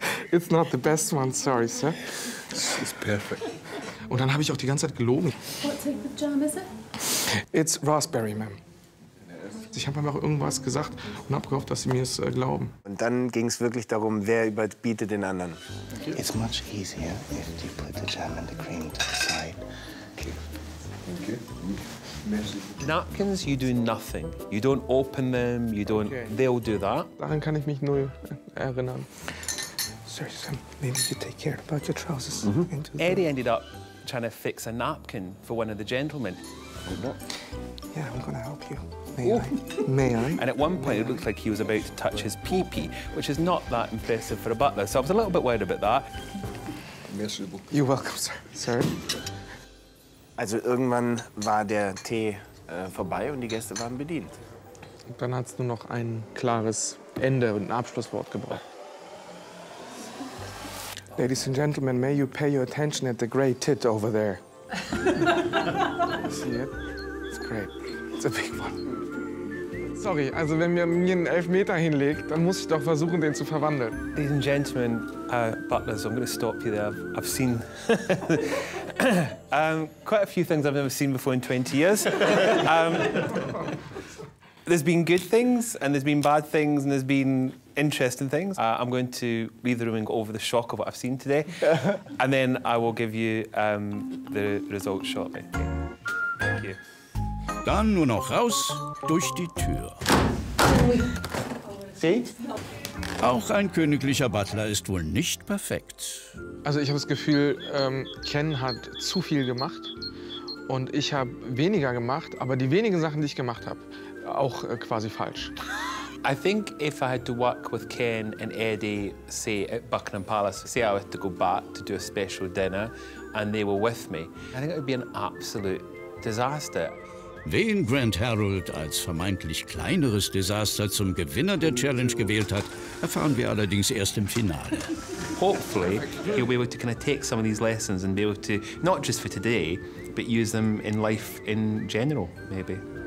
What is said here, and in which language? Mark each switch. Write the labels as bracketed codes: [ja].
[en] It's not the best one, sorry, sir. It's perfect. [de] Und dann habe ich auch die ganze Zeit gelogen. [en] What type of jam is it? It's raspberry, ma'am. [de] Ich habe einfach irgendwas gesagt und habe gehofft, dass sie mir es glauben. Und dann ging es wirklich darum, wer überbietet den anderen. [en] It's much easier if you put the jam and the cream to the side. Okay. Napkins, you do nothing. You don't open them, you don't. Okay. They'll do that. [de] Daran kann ich mich nur erinnern. [en] Sir, maybe you take care about your trousers. Mm-hmm. Eddie ended up trying to fix a napkin for one of the gentlemen. Yeah, I'm gonna help you. May I? And at one point, it looked like he was about to touch his pee-pee, which is not that impressive for a butler, so I was a little bit worried about that. You're welcome, sir. Sir? [de] Also, irgendwann war der Tee vorbei und die Gäste waren bedient. Und dann hat es nur noch ein klares Ende und ein Abschlusswort gebraucht. [en] Ladies and gentlemen, may you pay your attention at the great tit over there. See it? It's great. It's a big one. [de] Sorry, also wenn mir einen Elfmeter hinlegt, dann muss ich doch versuchen, den zu verwandeln. [en] Ladies and gentlemen, butlers, I'm going to stop you there. I've seen quite a few things I've never seen before in 20 years. There's been good things, and there's been bad things, and there's been interesting things. I'm going to leave the room and go over the shock of what I've seen today. And then I will give you the results shortly. Thank you. [de] Dann nur noch raus durch die Tür. [en] See? [de] Auch ein königlicher Butler ist wohl nicht perfekt. Also ich habe das Gefühl, Ken hat zu viel gemacht. Und ich habe weniger gemacht, aber die wenigen Sachen, die ich gemacht habe, auch quasi falsch. [en] I think if I had to work with Ken and Eddie, say at Buckingham Palace, say I had to go back to do a special dinner and they were with me, I think it would be an absolute disaster. [de] Wen Grant Harold als vermeintlich kleineres Desaster zum Gewinner der Challenge gewählt hat, erfahren wir allerdings erst im Finale. [en] Hopefully he'll be able to kind of take some of these lessons and be able to, not just for today, but use them in life in general, maybe.